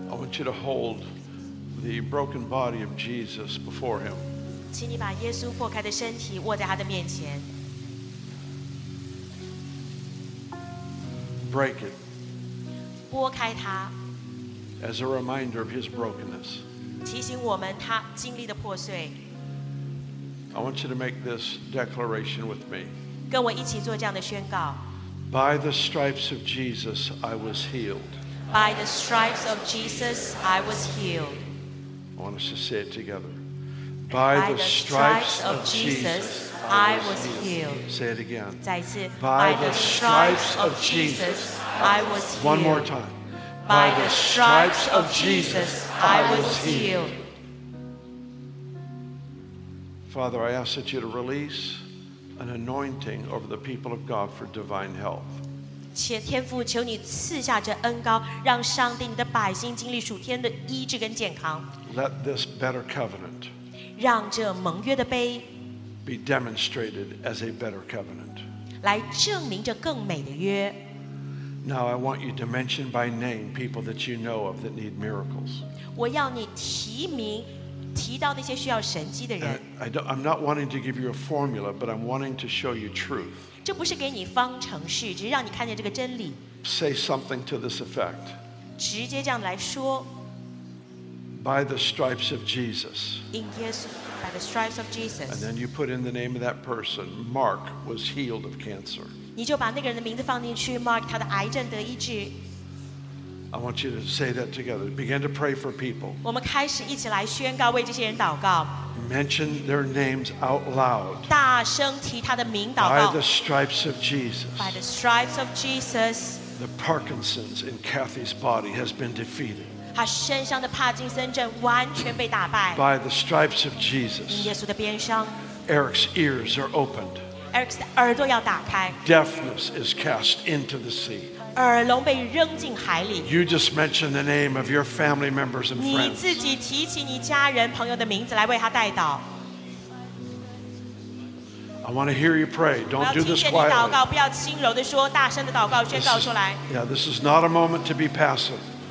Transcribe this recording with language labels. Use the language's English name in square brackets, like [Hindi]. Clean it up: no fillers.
[English] You to hold the broken body of Jesus before him. [Chinese] 请你把耶稣破开的身体握在他的面前。 [English] Break it. [Chinese] 拨开它。 [English] As a reminder of his brokenness. [Chinese] 提醒我们他经历的破碎。 [English] I want you to make this declaration with me. [Chinese] 跟我一起做这样的宣告。 [English] By the stripes of Jesus, I was healed. By the stripes of Jesus, I was healed. I want us to say it together. By the stripes of Jesus, I was healed. Say it again. [Chinese] 再次。 [English] By the stripes of Jesus, I was healed. One more time. By the stripes of Jesus, I was healed. Father, I ask that you to release an anointing over the people of God for divine health. [Chinese] 且天父，求你赐下这恩膏，让上帝你的百姓经历属天的医治跟健康。 [English] Let this better covenant [Chinese] 让这盟约的杯 [English] be demonstrated as a better covenant [Chinese] 来证明这更美的约。 [English] Now I want you to mention by name people that you know of that need miracles. [Chinese] 我要你提名提到那些需要神迹的人。 [English] I'm not wanting to give you a formula, but I'm wanting to show you truth. [Chinese] 这不是给你方程式，只是让你看见这个真理。 [English] Say something to this effect. [Chinese] 直接这样来说。 [English] By the stripes of Jesus. In Jesus, by the stripes of Jesus. And then you put in the name of that person. Mark was healed of cancer. [Chinese] 你就把那个人的名字放进去 ，Mark 他的癌症得医治。 [English] I want you to say that together. Begin to pray for people. [Chinese] 我们开始一起来宣告，为这些人祷告。 [English] Mention their names out loud. [Chinese] 大声提他的名祷告。 [English] By the stripes of Jesus. By the stripes of Jesus. The Parkinson's in Kathy's body has been defeated. [Chinese] 他身上的帕金森症完全被打败。 [English] By the stripes of Jesus. [Chinese] 耶稣的鞭伤。 [English] Eric's ears are opened. [Chinese] Eric's 耳朵要打开。 [English] Deafness is cast into the sea. [Chinese] 耳聋被扔进海里。 [English] You just mention the name of your family members and friends. [Chinese] 你自己提起你家人朋友的名字来为他代祷。 [English] I want to hear you pray. Don't do this quietly. [Chinese] 我要听见你祷告，不要轻柔的说，大声的祷告，宣告出来。 [English] Yeah, this is not a moment to be passive.